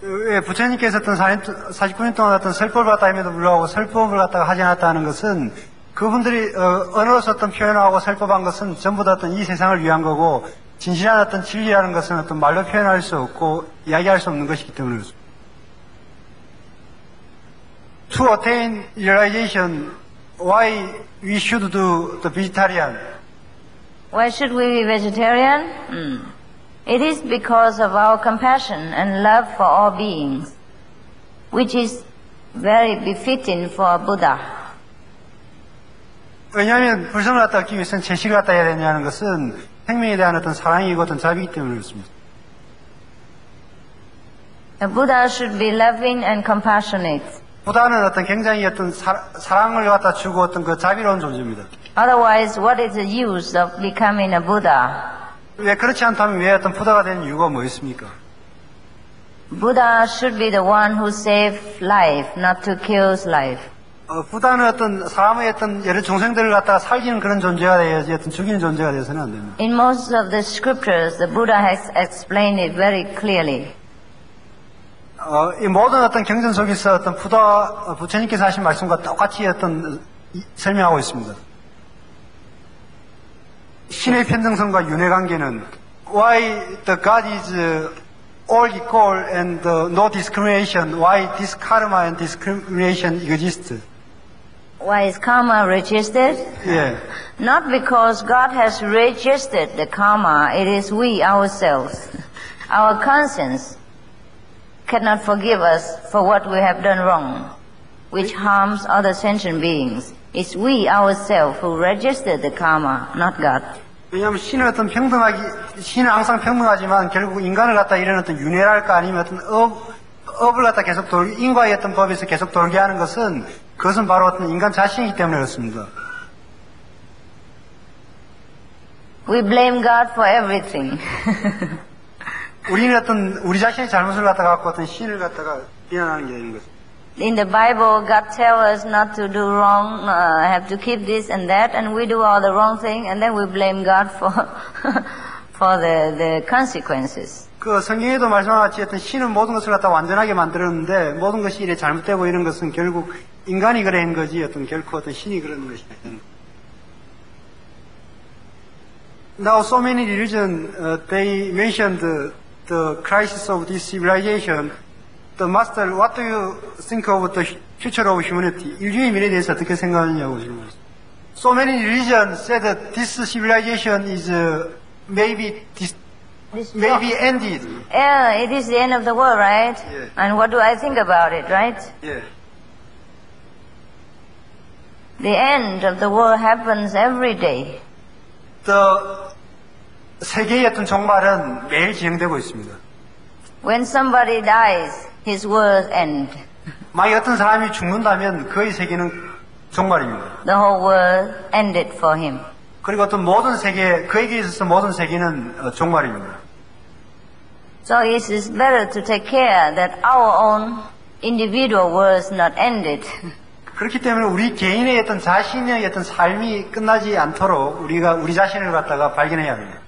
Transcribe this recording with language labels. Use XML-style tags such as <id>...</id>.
<ko>예, 부처님께서 어떤 49년 동안 어떤 설법을 받다임에도 불구하고 설법을 갖다가 하지 않았다는 것은 그분들이 언어로서 어떤 표현하고 설법한 것은 전부 다 어떤 이 세상을 위한 거고 진실한 어떤 진리라는 것은 어떤 말로 표현할 수 없고 이야기할 수 없는 것이기 때문에</ko> <en>To attain realization, why we should do the vegetarian? Why should we be vegetarian? It is because of our compassion and love for all beings, which is very befitting for a Buddha.</en> <ko>왜냐하면 불성을 갖다 얻기 위해서는 제식을 갖다 해야 되냐는 것은 생명에 대한 어떤 사랑이고 어떤 자비이기 때문에 그렇습니다.</ko> <en>A Buddha should be loving and compassionate.</en> <ko>보다는 어떤 굉장히 어떤 사랑을 갖다 주고 어떤 그 자비로운 존재입니다.</ko> <en>Otherwise, what is the use of becoming a Buddha?</en> <ko>왜 그렇지 않다면 왜 어떤 부다가 되는 이유가 뭐 있습니까?</ko> <en>Buddha should be the one who saves life, not to kill life.</en> <ko>부다는 어떤 사람의 어떤 여러 중생들을 갖다 살리는 그런 존재가 되어야지 어떤 죽이는 존재가 되어서는 안 됩니다.</ko> <en>In most of the scriptures, the Buddha has explained it very clearly.</en> <ko>이 모든 어떤 경전 속에서 어떤 부처님께서 하신 말씀과 똑같이 어떤 설명하고 있습니다. 신의 편등성과 윤회 관계는</ko> <en>why the God is all equal and no discrimination? Why this karma and discrimination exist? Why is karma registered? Yeah. Not because God has registered the karma. It is we ourselves, our conscience. Cannot forgive us for what we have done wrong, which harms other sentient beings. It's we ourselves who register the karma, not God.</en> <ko>왜냐하면 신은 어떤 평등하기, 신은 항상 평등하지만 결국 인간을 갖다 이런 어떤 윤회랄까 아니면 어떤 업을 갖다 계속 돌, 인과의 어떤 법에서 계속 돌게 하는 것은 그것은 바로 어떤 인간 자신이기 때문에 그렇습니다.</ko> <en>We blame God for everything.</en> <ko>우리는 어떤 우리 자신의 잘못을 갖다 갖고 어떤 신을 갖다가 비난하는 게 아닌 것입니다.</ko> <en>In the Bible, God tells us not to do wrong, have to keep this and that, and we do all the wrong thing, and then we blame God for, for the consequences.</en> <ko>그 성경에도 말씀하신 것 같이 했던 신은 모든 것을 갖다 완전하게 만들었는데 모든 것이 이래 잘못되고 이런 것은 결국 인간이 그런 거지 어떤 결코 어떤 신이 그런 것이 아니잖아.</ko> <en>Now so many religions they mentioned the crisis of this civilization. The master, what do you think of the future of humanity?</en> <ko>인류의 미래에 대해서 어떻게 생각하느냐고 질문했어.</ko> <en>So many religions said that this civilization is maybe this. Maybe ended. Yeah, it is the end of the world, right? Yeah. And what do I think about it, right? Yeah. The end of the world happens every day.</en> <ko>The 세계의 어떤 종말은 매일 진행되고 있습니다.</ko> <en>When somebody dies, his world ends.</en> <ko>만약 어떤 사람이 죽는다면 그의 세계는 종말입니다.</ko> <en>The whole world ended for him.</en> <ko>그리고 어떤 모든 세계, 그에게 있어서 모든 세계는 종말입니다.</ko> <en>So it is better to take care that our own individual world is not ended.</en> <ko>그렇기 때문에 우리 개인의 어떤 자신의 어떤 삶이 끝나지 않도록 우리가 우리 자신을 갖다가 발견해야 합니다.</ko>